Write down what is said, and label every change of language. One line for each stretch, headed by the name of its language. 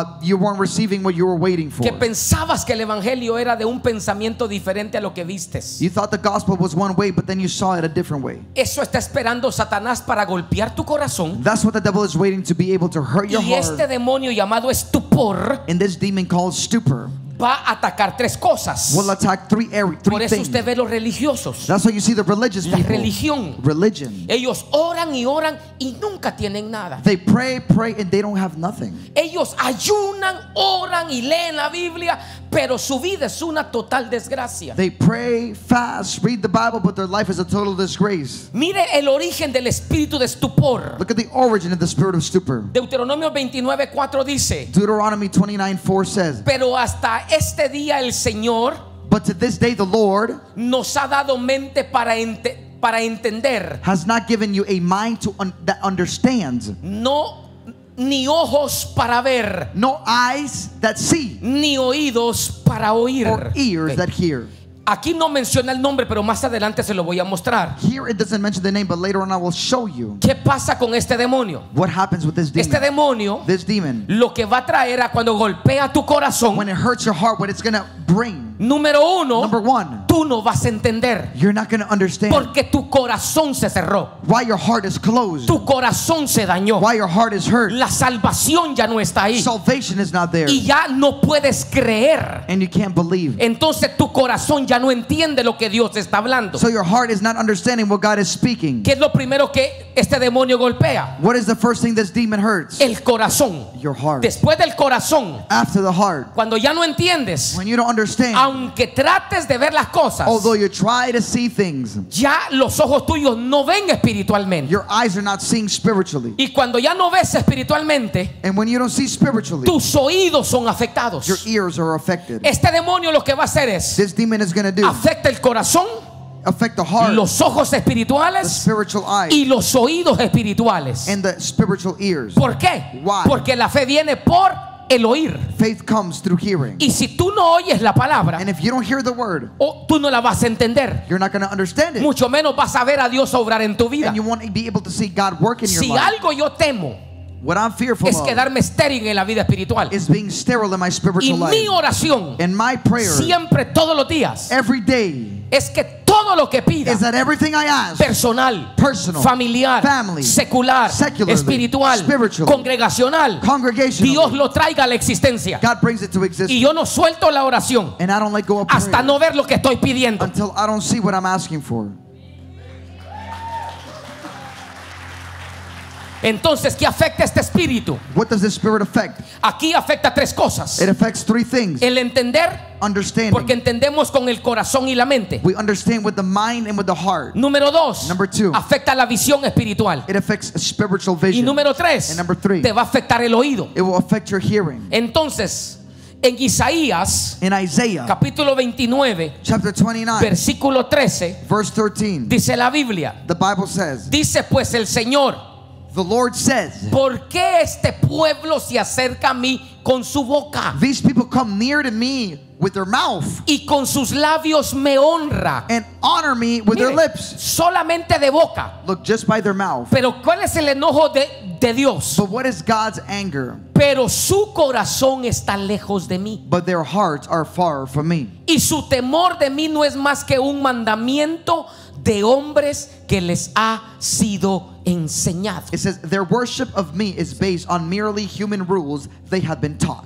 English: You weren't receiving what you were waiting for.
Spanish: Que pensabas que el evangelio era de un pensamiento diferente a lo que vistes.
English: You thought the gospel was one way, but then you saw it a different way.
Spanish: Eso está esperando Satanás para golpear tu corazón.
English: That's what the devil is waiting to be able to hurt your heart.
Spanish: Y este demonio llamado estupor,
English: and this demon called stupor,
Spanish: va a atacar tres cosas.
English: Will attack three things.
Spanish: Por eso
English: things.
Spanish: Usted ve los religiosos.
English: That's why you see the religious
Spanish: la
English: people.
Spanish: La religión.
English: Religion.
Spanish: Ellos oran y oran y nunca tienen nada.
English: They pray, pray, and they don't have nothing.
Spanish: Ellos ayunan, oran y leen la Biblia, pero su vida es una total desgracia.
English: They pray, fast, read the Bible, but their life is a total disgrace.
Spanish: Mire el origen del espíritu de estupor.
English: Look at the origin of the spirit of stupor.
Spanish: Deuteronomio 29:4 dice.
English: Deuteronomy 29:4 says.
Spanish: Pero hasta este día el Señor,
English: but to this day the Lord,
Spanish: nos ha dado mente para entender,
English: has not given you a mind to that understands,
Spanish: no, ni ojos para ver,
English: no eyes that see,
Spanish: ni oídos para oír,
English: or ears that hear.
Spanish: Aquí no menciona el nombre, pero más adelante se lo voy a mostrar.
English: Here it doesn't mention the name, but later on I will show you.
Spanish: ¿Qué pasa con este demonio?
English: What happens with this demon?
Spanish: Este demonio,
English: this demon,
Spanish: lo que va a traer a cuando golpea tu corazón.
English: When it hurts your heart, what it's going to bring.
Spanish: Número uno,
English: number one,
Spanish: tú no vas a entender.
English: You're not going to understand.
Spanish: Porque tu corazón se cerró.
English: Why your heart is closed.
Spanish: Tu corazón se dañó.
English: Why your heart is hurt.
Spanish: La salvación ya no está ahí.
English: Salvation is not there.
Spanish: Y ya no puedes creer.
English: And you can't believe.
Spanish: Entonces tu corazón ya no entiende lo que Dios está hablando.
English: So your heart is not understanding what God is speaking.
Spanish: ¿Qué es lo primero que este demonio golpea?
English: What is the first thing this demon hurts?
Spanish: El corazón.
English: Your heart.
Spanish: Después del corazón.
English: After the heart.
Spanish: Cuando ya no entiendes.
English: When you don't understand.
Spanish: Aunque trates de ver las cosas,
English: although you try to see things,
Spanish: ya los ojos tuyos no ven espiritualmente.
English: Your eyes are not seeing spiritually.
Spanish: Y cuando ya no ves espiritualmente,
English: and when you don't see spiritually,
Spanish: tus oídos son afectados.
English: Your ears are affected.
Spanish: Este demonio lo que va a hacer es,
English: this demon is going to do,
Spanish: afecta el corazón,
English: affect the heart,
Spanish: los ojos espirituales,
English: the spiritual eyes,
Spanish: y los oídos espirituales,
English: and the spiritual ears.
Spanish: ¿Por qué?
English: Why?
Spanish: Porque la fe viene por el oír.
English: Faith comes through hearing.
Spanish: Y si tú no oyes la palabra,
English: and if you don't hear the word,
Spanish: tú no la vas a entender.
English: You're not going to understand it.
Spanish: Mucho menos vas a ver a Dios obrar en tu vida.
English: And you won't be able to see God work in
Spanish: si
English: your life.
Spanish: Si algo yo temo,
English: What I'm fearful
Spanish: es quedarme
English: of
Spanish: estéril en la vida espiritual.
English: Is being sterile in my spiritual life.
Spanish: Y mi oración,
English: and my prayer,
Spanish: siempre todos los días,
English: every day,
Spanish: es que todo lo que pida,
English: is that everything I ask,
Spanish: personal,
English: personal,
Spanish: familiar,
English: family,
Spanish: secular,
English: secular,
Spanish: espiritual,
English: spiritual,
Spanish: congregacional,
English: congregational,
Spanish: Dios lo traiga a la existencia.
English: God brings it to existence.
Spanish: Y yo no suelto la oración,
English: and I don't let go of prayer,
Spanish: hasta no ver lo que estoy pidiendo,
English: until I don't see what I'm asking for.
Spanish: Entonces, ¿qué afecta este espíritu?
English: What does the spirit affect?
Spanish: Aquí afecta tres cosas.
English: It affects three things.
Spanish: El entender,
English: understanding.
Spanish: Porque entendemos con el corazón y la mente.
English: We understand with the mind and with the heart.
Spanish: Número dos,
English: number two,
Spanish: afecta la visión espiritual.
English: It affects a spiritual vision.
Spanish: Y número tres,
English: and number three,
Spanish: te va a afectar el oído.
English: It will affect your hearing.
Spanish: Entonces, en Isaías,
English: in Isaiah,
Spanish: capítulo 29,
English: chapter 29,
Spanish: versículo 13,
English: verse 13,
Spanish: dice la Biblia.
English: The Bible says,
Spanish: dice pues el Señor,
English: the Lord says,
Spanish: ¿por qué este pueblo se acerca a mí con su boca?
English: These people come near to me with their mouth.
Spanish: Y con sus labios me honra.
English: And honor me with,
Spanish: mire,
English: their lips.
Spanish: Solamente de boca.
English: Look, just by their mouth.
Spanish: Pero ¿cuál es el enojo de Dios?
English: But what is God's anger?
Spanish: Pero su corazón está lejos de mí.
English: But their hearts are far from me.
Spanish: Y su temor de mí no es más que un mandamiento de hombres que les ha sido enseñado.
English: It says their worship of me is based on merely human rules they have been taught.